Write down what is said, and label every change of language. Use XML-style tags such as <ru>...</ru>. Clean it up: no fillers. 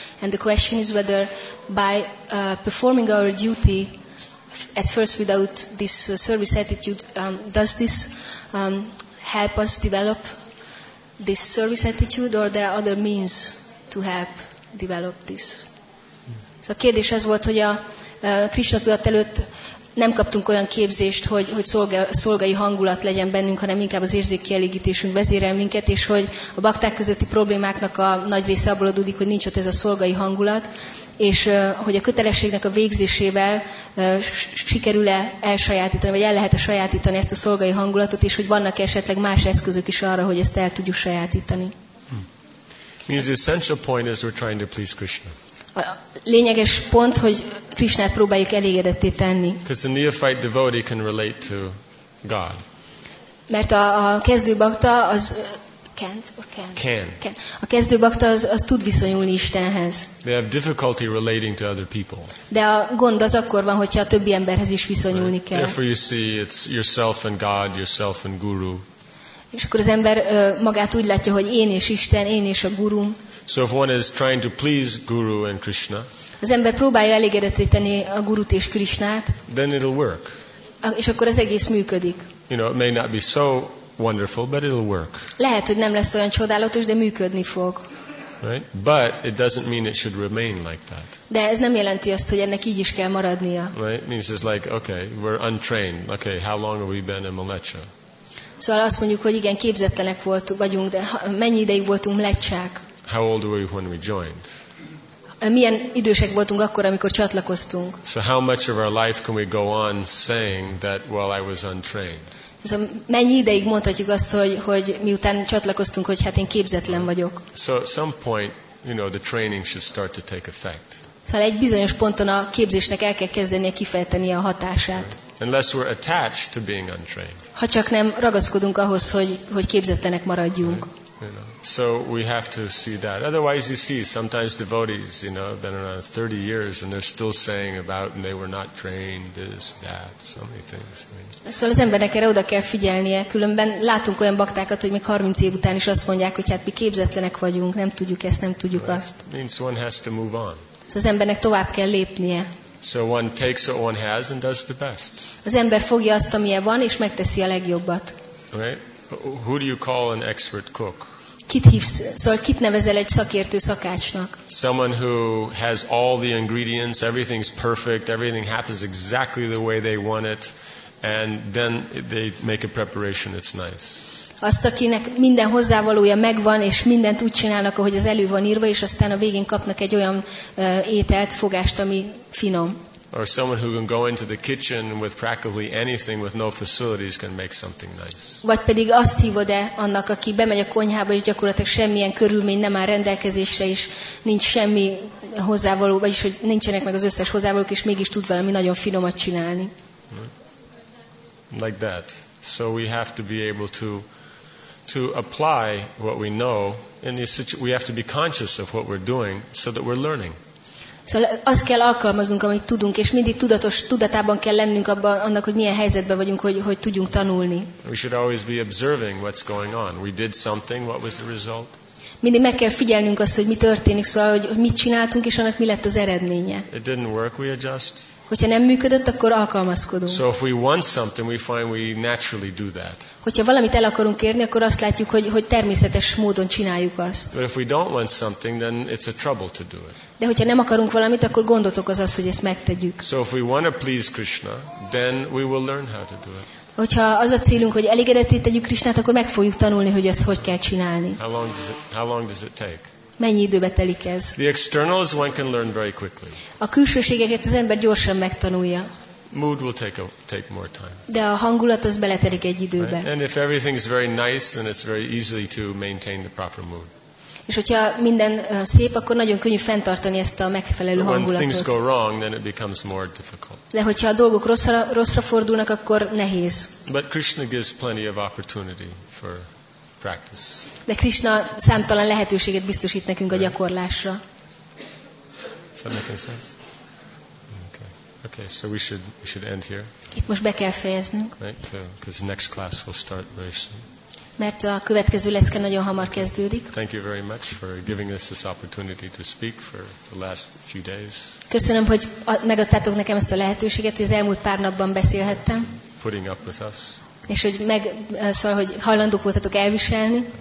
<en>And the question is whether by performing our duty at first without this service attitude, does this help us develop this service attitude, or there are other means to help develop this?</en> <hu>So a kérdés ez volt, hogy a Krishna tudat előtt nem kaptunk olyan képzést, hogy szolgai hangulat legyen bennünk, hanem inkább az érzékkielégítésünk vezérel minket, és hogy a bakták közötti problémáknak a nagy része abból adódik, hogy nincs ott ez a szolgai hangulat, és hogy a kötelességnek a végzésével sikerül-e elsajátítani, vagy el lehet-e sajátítani ezt a szolgai hangulatot, és hogy vannak esetleg más eszközök is arra, hogy ezt el tudjuk sajátítani.</hu> <en>The essential point is we're trying to please Krishna.</en> <hu>A lényeges pont, hogy Krishnát próbáljuk elégedetté tenni.</hu> <en>Because the neophyte devotee can relate to God.</en> <hu>Mert a kezdő bakta az</hu> <en>can't or can. Can. Can.</en> <hu>A kezdő bakta az tud viszonyulni Istenhez.</hu> <en>They have difficulty relating to other people.</en> <hu>De a gond az akkor van, hogyha a többi emberhez is viszonyulni kell.</hu> <en>Therefore you see it's yourself and God, yourself and guru.</en> <hu>És akkor az ember magát úgy látja, hogy én és Isten, én és a guru.</hu> <en>So if one is trying to please guru and Krishna.</en> <hu>Az ember próbálja elégedetíteni a gurut és Krishnát.</hu> <en>Then it'll work.</en> <hu>És akkor az egész működik.</hu> <en>You know, it may not be so wonderful, but it'll work.</en> <hu>Lehet, hogy nem lesz olyan csodálatos, de működni fog.</hu> <en>Right? But it doesn't mean it should remain like that.</en> <hu>De ez nem jelenti azt, hogy ennek így is kell maradnia.</hu> <en>Right? It means it's like, okay, we're untrained. Okay, how long have we been in Mlecsa?</en> <hu>Szóval azt mondjuk, hogy igen, képzettenek voltunk, vagyunk, de mennyi ideig voltunk Mlecsák?</hu> <en>How old were we when we joined?</en> <hu>Milyen idősek voltunk akkor, amikor csatlakoztunk?</hu> <en>So how much of our life can we go on saying that, well, I was untrained?</en> <hu>Szóval mennyi ideig mondhatjuk azt, hogy miután csatlakoztunk, hogy hát én képzetlen vagyok?</hu> <en>So at some point, you know, the training should start to take effect.</en> <hu>Szóval egy bizonyos ponton a képzésnek el kell kezdenie kifejteni a hatását.</hu> <en>Unless we're attached to being untrained.</en> <hu>Ha csak nem ragaszkodunk ahhoz, hogy képzettenek maradjunk.</hu> <en>You know, so we have to see that. Otherwise you see sometimes devotees, you know, have been around 30 years and they're still saying about and they were not trained, this, that, so many things.</en> <hu>Szóval az embernek erre oda kell figyelnie, különben látunk olyan baktákat, hogy még 30 év után is azt mondják, hogy hát mi képzetlenek vagyunk, nem tudjuk ezt, nem tudjuk azt.</hu> <en>Means one has to move on.</en> <hu>Szóval az embernek tovább kell lépnie.</hu> <en>So one takes what one has and does the best.</en> <hu>Az ember fogja azt, amilyen van, és megteszi a legjobbat.</hu> <en>Right? Who do you call an expert cook?</en> <hu>Kit hívsz? Szóval kit nevezel egy szakértő szakácsnak?</hu> <en>Someone who has all the ingredients, everything's perfect, everything happens exactly the way they want it, and then they make a preparation, it's nice.</en> <hu>Azt, akinek minden hozzávalója megvan, és mindent úgy csinálnak, ahogy az elő van írva, és aztán a végén kapnak egy olyan ételt, fogást, ami finom.</hu> <en>Or someone who can go into the kitchen with practically anything with no facilities can make something nice.</en> <hu>Vagy pedig azt hívod-e annak, aki bemegy a konyhába, és gyakorlatilag semmilyen körülmény nem áll rendelkezésre, és nincs semmi hozzávaló, vagyis hogy nincsenek meg az összes hozzávalók, és mégis tud valami nagyon finomat csinálni.</hu> <en>Like that. So we have to be able to apply what we know in these situations. We have to be conscious of what we're doing so that we're learning.</en> <hu>Szóval azt kell alkalmaznunk, amit tudunk, és mindig tudatos tudatában kell lennünk abban annak, hogy milyen helyzetben vagyunk, hogy tudjunk tanulni.</hu> <en>We should always be observing what's going on. We did something, what was the result?</en> <hu>Mindig meg kell figyelnünk azt, hogy mi történik, szóval, hogy mit csináltunk, és annak mi lett az eredménye.</hu> <en>It didn't work, we adjust.</en> <hu>Hogyha nem működött, akkor alkalmazkodunk.</hu> <en>So if we want something, we find we naturally do that.</en> <hu>Hogyha valamit el akarunk érni, akkor azt látjuk, hogy természetes módon csináljuk azt.</hu> <en>But if we don't want something, then it's a trouble to do it.</en> <hu>De hogyha nem akarunk valamit, akkor gondot okoz az, hogy ezt megtegyük.</hu> <en>So if we want to please Krishna, then we will learn how to do it.</en> <hu>Hogyha az a célunk, hogy elégedetté tegyük Krishnát, akkor meg fogjuk tanulni, hogy ezt hogy kell csinálni.</hu> <en>How long does it take?</en> <hu>Mennyi időbe telik ez?</hu> <en>The externals one can learn very quickly.</en> <hu>A külsőségeket az ember gyorsan megtanulja.</hu> <en>Mood will take more time.</en> <hu>De a hangulat az beletelik egy időbe.</hu> <en>Right? And if everything is very nice, then it's very easy to maintain the proper mood.</en> <hu>És hogyha minden szép, akkor nagyon könnyű fenntartani ezt a megfelelő hangulatot.</hu> <en>When things go wrong, then it becomes more difficult.</en> <hu>De hogyha a dolgok rosszra fordulnak, akkor nehéz.</hu> <en>But Krishna gives plenty of opportunity for practice.</en> <hu>De Krishna számtalan lehetőséget biztosít nekünk a gyakorlásra.</hu> <en>Does that make any sense? Okay, so we should end here.</en> <hu>Itt most be kell fejeznünk.</hu> <en>Right, because next class will start very soon.</en> <hu>Mert a következő lecke nagyon hamar kezdődik.</hu> <en>Thank you very much for giving us this opportunity to speak for the last few days.</en> <hu>Köszönöm, hogy megadtátok nekem ezt a lehetőséget, hogy az elmúlt pár napban beszélhettem.</hu> <en>Putting up with us.</en> <hu>És hogy hogy hajlandók voltatok elviselni.</hu>